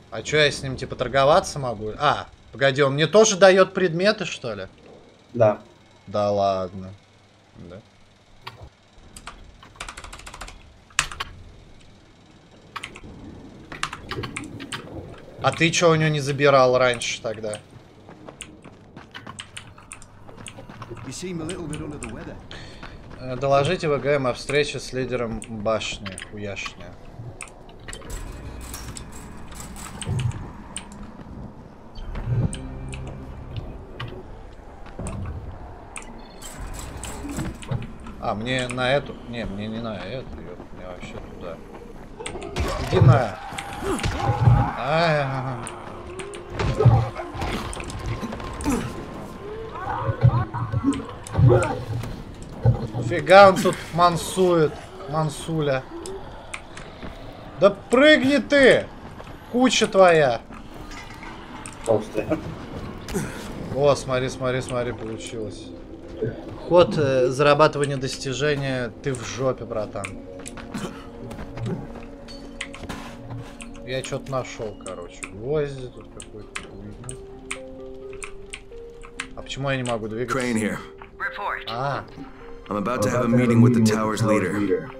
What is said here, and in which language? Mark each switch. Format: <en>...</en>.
<ru>А чё, я с ним, типа, торговаться могу? А, погоди, он мне тоже даёт предметы, что ли? Да. Да ладно. Да. А ты чё у него не забирал раньше тогда?</ru> <en>You seem a little bit under the weather.</en> <ru>Доложите ВГМ о встрече с лидером башни, хуяшня. А, мне на эту... Не, мне не на эту, ёп, мне вообще туда. Иди на... Фига он тут мансует. Мансуля. Да прыгни ты! Куча твоя! Толстая. О, смотри, смотри, смотри, получилось. Ход зарабатывания достижения, ты в жопе, братан. Я что-то нашел, короче. Гвозди тут какой-то. А почему я не могу двигаться?</ru> <en>I'm about to have a meeting with the tower's leader.</en>